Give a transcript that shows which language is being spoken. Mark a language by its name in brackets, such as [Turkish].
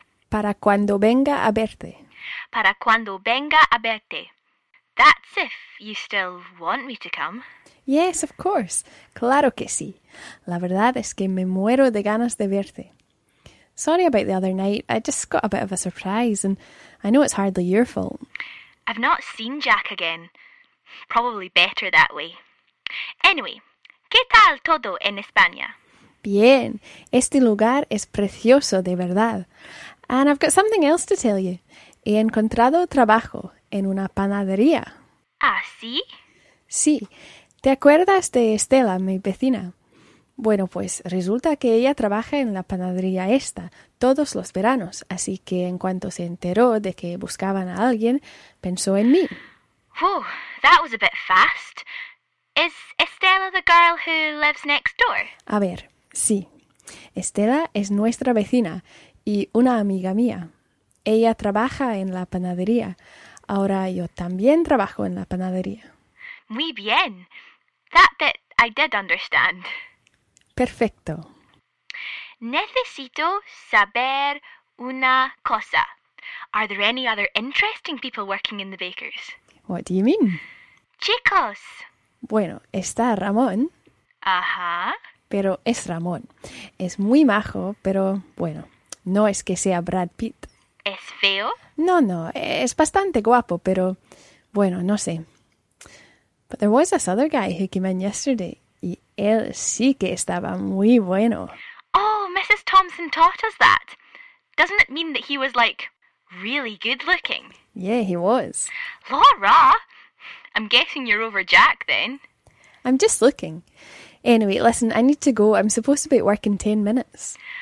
[Spanish] Para cuando venga a verte. Para cuando venga a verte. [English] That's if you still want me to come. Yes, of course. [Spanish] Claro que sí. La verdad es que me muero de ganas de verte. [English] Sorry about the other night. I just got a bit of a surprise and I know it's hardly your fault. I've not seen Jack again. Probably better that way. Anyway, [Spanish] ¿qué tal todo en España? Bien, este lugar es precioso de verdad. [English] And I've got something else to tell you. [Spanish] He encontrado trabajo en una panadería. ¿Ah, sí? Sí. ¿Te acuerdas de Estela, mi vecina? Bueno, pues resulta que ella trabaja en la panadería esta todos los veranos, así que en cuanto se enteró de que buscaban a alguien, pensó en mí. [English] Whew, that was a bit fast. Is Estela the girl who lives next door? [Spanish] A ver. Sí. Estela es nuestra vecina y una amiga mía. Ella trabaja en la panadería. Ahora yo también trabajo en la panadería. Muy bien. [English] That bit I did understand. [Spanish] Perfecto. Necesito saber una cosa. [English] Are there any other interesting people working in the bakers? What do you mean? [Spanish] Chicos. Bueno, está Ramón. Ajá. Pero es Ramón. Es muy majo, pero bueno, no es que sea Brad Pitt. ¿Es feo? No, no, es bastante guapo, pero bueno, no sé. [English] But there was this other guy who came in yesterday, [Spanish] y él sí que estaba muy bueno. [English] Oh, Mrs. Thompson taught us that. Doesn't it mean that he was, like, really good looking? Yeah, he was. Laura! I'm guessing you're over Jack, then. I'm just looking. Anyway, listen, I need to go. I'm supposed to be at work in 10 minutes.